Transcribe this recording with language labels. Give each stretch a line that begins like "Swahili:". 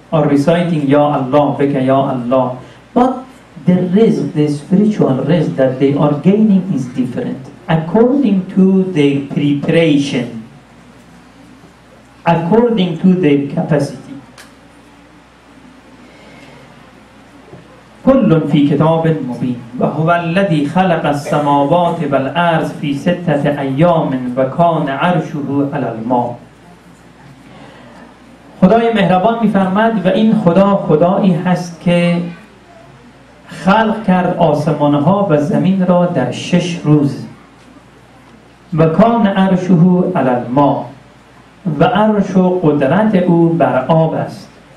English: or reciting Ya Allah, Bika Ya Allah. But the rizq, the spiritual rizq that they are gaining is different according to their preparation, according to their capacity.
Arabic: كل في كتاب مبين وهو الذي خلق السماوات والأرض في ستة أيام وكان عرشه على الماء.
Persian: خدای مهربان می‌فرماید و این خدا خدایی هست که خلق کرد آسمان‌ها و زمین را در شش روز.
Arabic: وكان عرشه على الماء
Persian: و عرش و قدرت او بر آب است.